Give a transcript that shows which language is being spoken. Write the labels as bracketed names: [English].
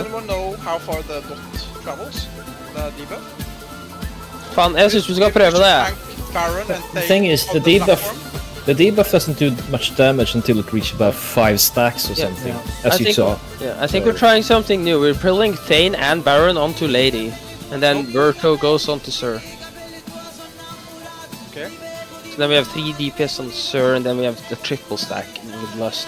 [English] Does anyone know how far the dot travels? The debuff? [Norwegian] Fan, jeg synes vi skal prøve det, ja. [English] The thing is, the debuff doesn't do much damage until it reaches about 5 stacks or something, as you saw. Yeah, I think we're trying something new. We're pulling Thane and Baron onto Lady, and then Virto goes onto Sir. So then we have 3 DPS on Sir, and then we have the triple stack with Lust.